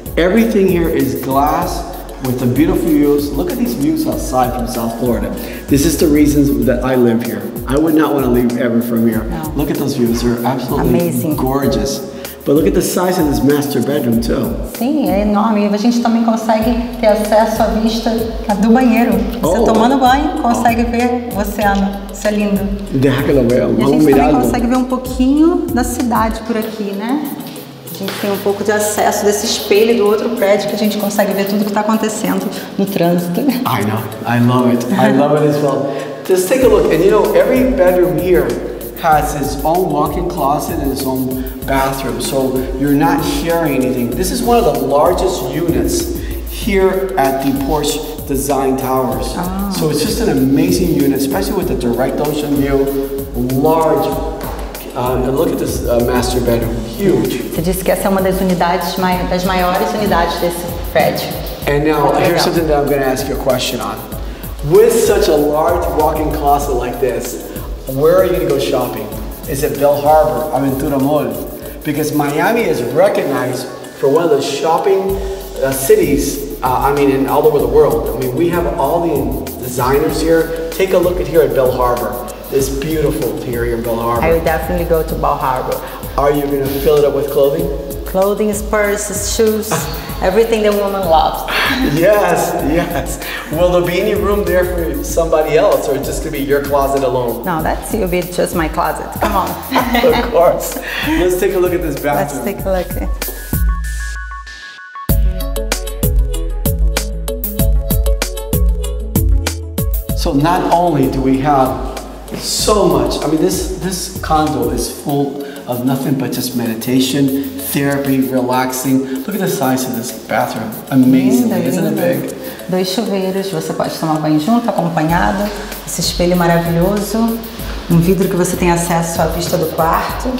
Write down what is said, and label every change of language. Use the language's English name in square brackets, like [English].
[English] Everything here is glass with the beautiful views. Look at these views outside from South Florida. This is the reasons that I live here. I would not want to leave ever from here. No. Look at those views. They're absolutely amazing. Gorgeous. But look at the size of this master bedroom too. [Portuguese] Sim, é enorme. A gente também consegue ter acesso à vista do banheiro. Você tomando banho, consegue ver o oceano. Isso é lindo. De aquela vez, e a gente também consegue ver um pouquinho da cidade por aqui, né? A gente tem um pouco de acesso desse espelho do outro prédio que a gente consegue ver tudo que está acontecendo no trânsito. [English] I know, I love it. I love it as well. Just take a look, and you know, every bedroom here has its own walk-in closet and its own bathroom, so you're not sharing anything. This is one of the largest units here at the Porsche Design Towers. Oh. So it's just an amazing unit, especially with the direct ocean view, large. And look at this master bedroom, huge. [Portuguese] Você disse que essa é uma das unidades das maiores unidades desse prédio. [English] And now here's something that I'm going to ask you a question on. With such a large walk-in closet like this, where are you going to go shopping? Is it Bell Harbor, Aventura Mall? Because Miami is recognized for one of the shopping cities. In all over the world. I mean, we have all the designers here. Take a look at here at Bell Harbor. It's beautiful here in Bell Harbor. I would definitely go to Bell Harbor. Are you going to fill it up with clothing? Clothing, purses, shoes, everything that woman loves. Yes, yes. Will there be any room there for somebody else, or just going to be your closet alone? No, that's you'll be just my closet. Come on. Of course. Let's take a look at this bathroom. Let's take a look. So not only do we have so much. I mean, this condo is full of nothing but just meditation, therapy, relaxing. Look at the size of this bathroom. Amazing, isn't it big? [Portuguese] Dois chuveiros, você pode tomar banho junto, acompanhado. Esse espelho maravilhoso. Vidro que você tem acesso à vista do quarto.